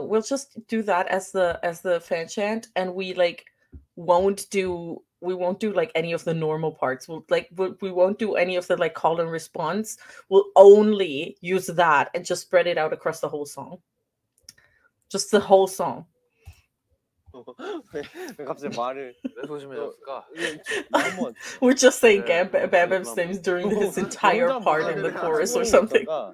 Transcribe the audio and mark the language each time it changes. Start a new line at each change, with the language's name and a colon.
English: We'll just do that as the fan chant, and we like won't do. We won't do like any of the normal parts. We won't do any of the like call and response. We'll only use that and just spread it out across the whole song. Just the whole song.
Korean: 왜 갑자기 말을 왜 소심해졌을까?
English: We're just saying Bam Bam's names during this entire part in the chorus or something.